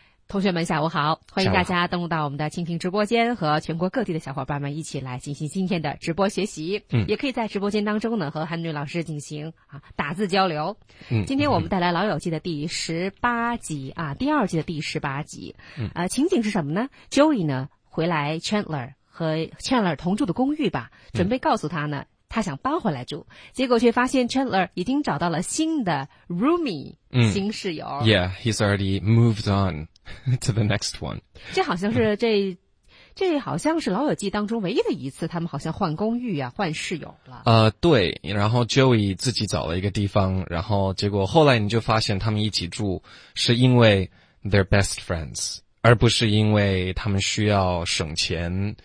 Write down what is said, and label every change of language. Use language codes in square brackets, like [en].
[zh] 同学们下午好，欢迎大家登录到我们的蜻蜓直播间，和全国各地的小伙伴们一起来进行今天的直播学习、也可以在直播间当中呢和Henry老师进行、打字交流、今天我们带来老友记的第18集、第二季的第18集、情景是什么呢？ Joey 呢回来 Chandler 和 Chandler 同住的公寓吧，准备告诉他呢、他想搬回来住，结果却发现 Chandler 已经找到了新的 roomie、新室友。 [en] Yeah, he's already moved on to the next one. [zh] 这好像是这好像是老友记当中唯一的一次，他们好像换公寓啊，换室友了。对，然后 Joey 自己找了一个地方，然后结果后来你就发现他们一起住是因为 [en] they're best friends， [zh] 而不是因为他们需要省钱。